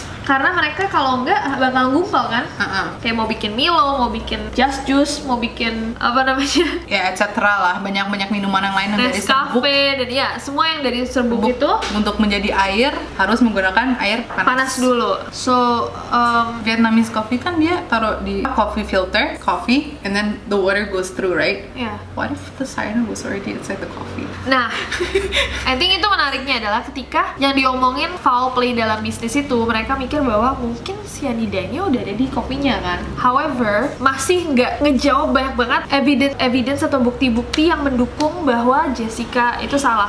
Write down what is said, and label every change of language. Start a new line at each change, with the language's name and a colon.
Indonesian: Karena mereka kalau enggak bakal gumpal kan? Uh-uh. Kayak mau bikin Milo, mau bikin Just Juice, mau bikin apa namanya? Ya, et cetera lah, banyak-banyak minuman yang lain yang dari serbuk. Dan ya, semua yang dari serbuk itu untuk menjadi air, harus menggunakan air panas. Panas dulu. So,
English: Vietnamese coffee
Indonesian: kan dia taruh di
English: coffee filter, coffee, and then the water goes through, right? Yeah. What if the cyanide was already inside the coffee?
Indonesian: Nah,
English: I think
Indonesian: itu menariknya adalah ketika yang diomongin foul play dalam bisnis itu, mereka mikir bahwa mungkin sianidanya udah ada di kopinya kan. However, masih nggak ngejawab banyak banget evidence atau bukti-bukti yang mendukung bahwa Jessica itu salah.